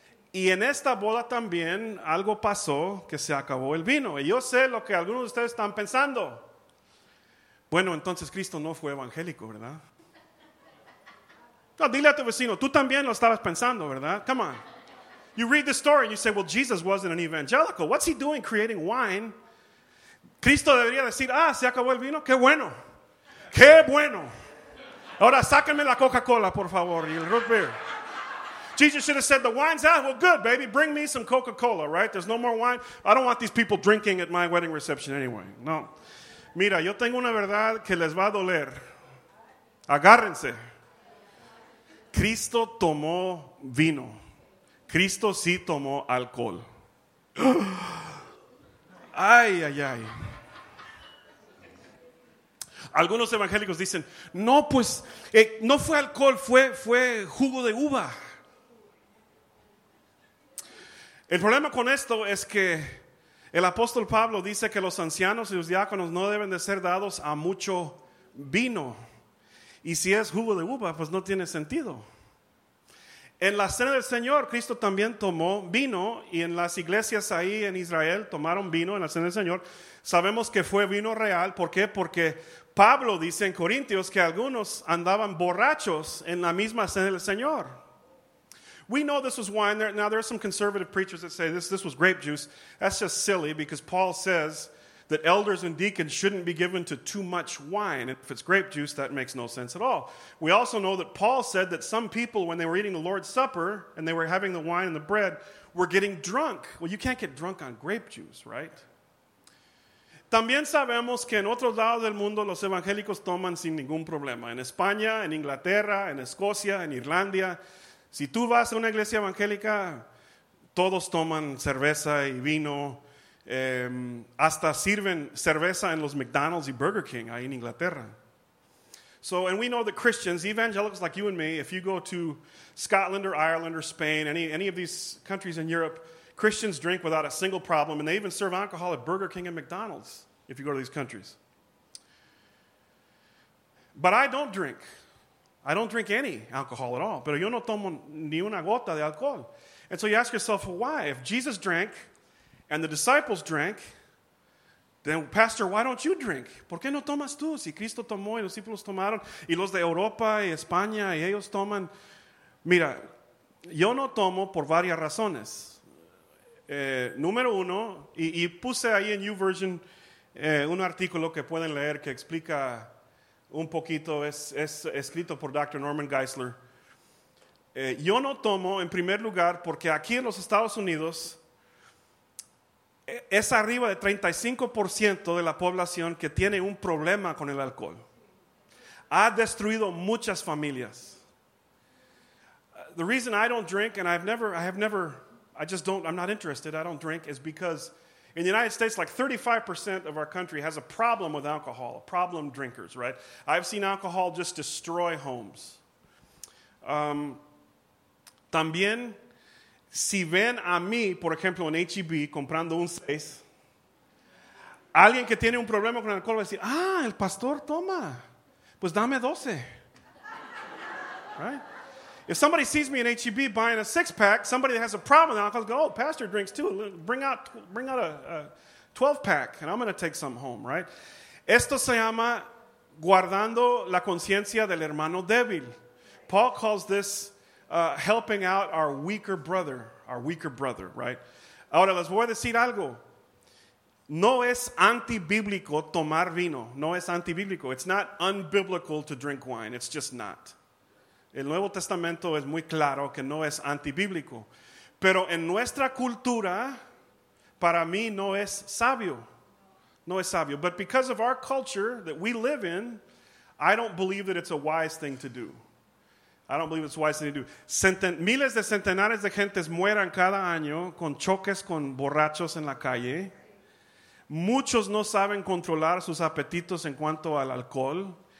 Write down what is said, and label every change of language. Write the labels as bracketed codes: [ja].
[es] Y en esta boda también algo pasó que se acabó el vino. Y yo sé lo que algunos de ustedes están pensando. Bueno, entonces Cristo no fue evangélico, ¿verdad? No, dile a tu vecino, tú también lo estabas pensando, ¿verdad? [en] Come on. You read the story and you say, well, Jesus wasn't an evangelical. What's he doing creating wine? [es] Cristo debería decir, ah, se acabó el vino. Qué bueno. Qué bueno. Ahora sáquenme la Coca-Cola, por favor, y el root beer. [en] Jesus should have said, the wine's out. Well, good, baby. Bring me some Coca-Cola, right? There's no more wine. I don't want these people drinking at my wedding reception anyway. [es] No. Mira, yo tengo una verdad que les va a doler. Agárrense. Cristo tomó vino. Cristo sí tomó alcohol. Ay, ay, ay. Algunos evangélicos dicen, no, pues, no fue alcohol, fue jugo de uva. El problema con esto es que el apóstol Pablo dice que los ancianos y los diáconos no deben de ser dados a mucho vino. Y si es jugo de uva, pues no tiene sentido. En la cena del Señor, Cristo también tomó vino. Y en las iglesias ahí en Israel tomaron vino en la cena del Señor. Sabemos que fue vino real. ¿Por qué? Porque Pablo dice en Corintios que algunos andaban borrachos en la misma cena del Señor. [en] We know this was wine. Now, there are some conservative preachers that say this was grape juice. That's just silly because Paul says that elders and deacons shouldn't be given to too much wine. If it's grape juice, that makes no sense at all. We also know that Paul said that some people, when they were eating the Lord's Supper and they were having the wine and the bread, were getting drunk. Well, you can't get drunk on grape juice, right? [es] También sabemos que en otros lados del mundo los evangélicos toman sin ningún problema. En España, en Inglaterra, en Escocia, en Irlanda. Si tú vas a una iglesia evangélica, todos toman cerveza y vino. Hasta sirven cerveza en los McDonald's y Burger King ahí en Inglaterra. [en] So, and we know that Christians, evangelicals like you and me, if you go to Scotland or Ireland or Spain, any of these countries in Europe, Christians drink without a single problem, and they even serve alcohol at Burger King and McDonald's if you go to these countries. But I don't drink. I don't drink any alcohol at all. [es] Pero yo no tomo ni una gota de alcohol. [en] And so you ask yourself, why? If Jesus drank and the disciples drank, then, Pastor, why don't you drink? [es] ¿Por qué no tomas tú? Si Cristo tomó y los discípulos tomaron, y los de Europa y España, y ellos toman. Mira, yo no tomo por varias razones. Número uno, y puse ahí en YouVersion un artículo que pueden leer que explica un poquito, es escrito por Dr. Norman Geisler. Yo no tomo, en primer lugar, porque aquí en los Estados Unidos es arriba de 35% de la población que tiene un problema con el alcohol. Ha destruido muchas familias. [en] The reason I don't drink, and I'm not interested, I don't drink, is because in the United States, like 35% of our country has a problem with alcohol, problem drinkers, right? I've seen alcohol just destroy homes. [es] También, si ven a mí, por ejemplo, en HEB, comprando un 6, alguien que tiene un problema con el alcohol va a decir, ah, el pastor toma, pues dame 12. [en] Right? If somebody sees me in HEB buying a 6-pack, somebody that has a problem with alcohol, go, oh, pastor drinks too, bring out a 12-pack, and I'm going to take some home, right? [es] Esto se llama guardando la conciencia del hermano débil. [en] Paul calls this helping out our weaker brother, right? [es] Ahora, les voy a decir algo. No es antibíblico tomar vino. No es antibíblico. [en] It's not unbiblical to drink wine. It's just not. [es] El Nuevo Testamento es muy claro que no es antibíblico. Pero en nuestra cultura, para mí, no es sabio. No es sabio. [en] But because of our culture that we live in, I don't believe that it's a wise thing to do. I don't believe it's wise to do. [es] Miles de centenares de gentes mueran cada año con choques con borrachos en la calle. Muchos no saben controlar sus apetitos en cuanto al alcohol.